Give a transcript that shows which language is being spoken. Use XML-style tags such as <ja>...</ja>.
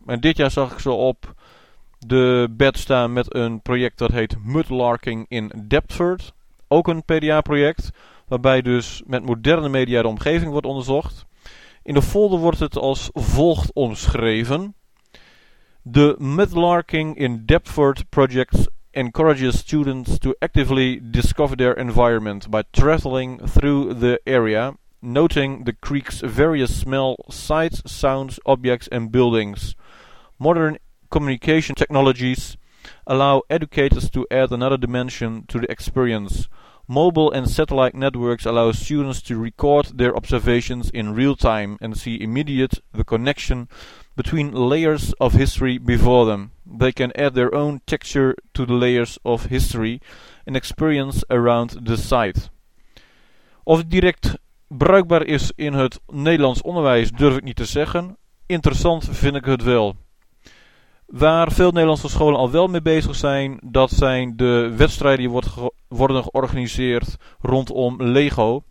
<nl>En dit jaar zag ik ze op de bed staan met een project dat heet Mudlarking in Deptford. Ook een PDA project, waarbij dus met moderne media de omgeving wordt onderzocht. In de folder wordt het als volgt omschreven.</nl> <en>The Mudlarking in Deptford project encourages students to actively discover their environment by traveling through the area, noting the creek's various smells, sights, sounds, objects and buildings. Modern communication technologies allow educators to add another dimension to the experience. Mobile and satellite networks allow students to record their observations in real time and see immediate the connection between layers of history before them. They can add their own texture to the layers of history and experience around the site.</en> <nl>Of het direct bruikbaar is in het Nederlands onderwijs durf ik niet te zeggen. Interessant vind ik het wel. Waar veel Nederlandse scholen al wel mee bezig zijn, dat zijn de wedstrijden die worden georganiseerd rondom Lego.</nl>